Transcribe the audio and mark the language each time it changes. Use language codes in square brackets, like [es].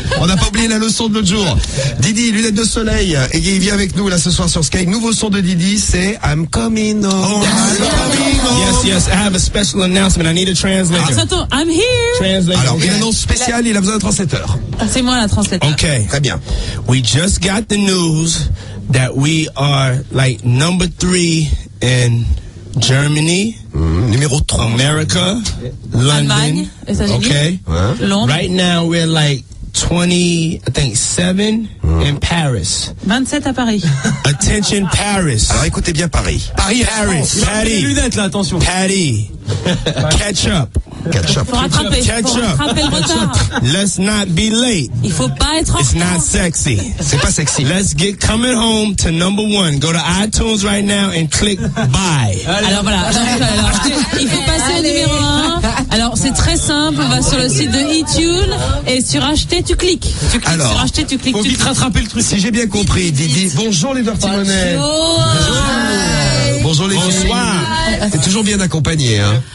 [fr] On n'a pas oublié la leçon de l'autre jour. Didi, lunettes de soleil, et il vient avec nous là ce soir sur Sky. Nouveau son de Didi, c'est I'm coming home. [en] Oh, yes, yes, I have a special announcement. I need a translator. [fr] Ah, attends, [en] I'm here. Translator. [fr] Alors, une annonce spéciale, il a besoin d'un translateur. C'est moi la translateur. Ok, très bien. [en] We just got the news that we are like number 3 in Germany. [fr] Numéro 3. [en] America, London. [fr] Allemagne, ok. Londres. [en] Right now, we're like 27 in Paris. [fr] 27 à Paris. Attention Paris. Alors écoutez bien Paris. Paris, Paris. Paris. Les lunettes là, attention. Paris. Ketchup. Ketchup. Pour rattraper. Ketchup. Pour rattraper le retard. [en] Let's not be late. [fr] Il faut pas être en [en] It's not sexy. [fr] C'est pas sexy. [en] Let's get coming home to number one. Go to iTunes right now and click buy. [fr] Alors voilà. Alors, il faut passer au numéro 1. Alors c'est très simple. On va sur le site de iTunes et sur acheter, tu cliques. Tu cliques alors, sur acheter, tu cliques. Faut vite rattraper le truc. Si j'ai bien compris, Didi. Bonjour les Dirty Money. Bonjour. Bonjour les filles. Bonsoir. T'es toujours bien accompagné, hein.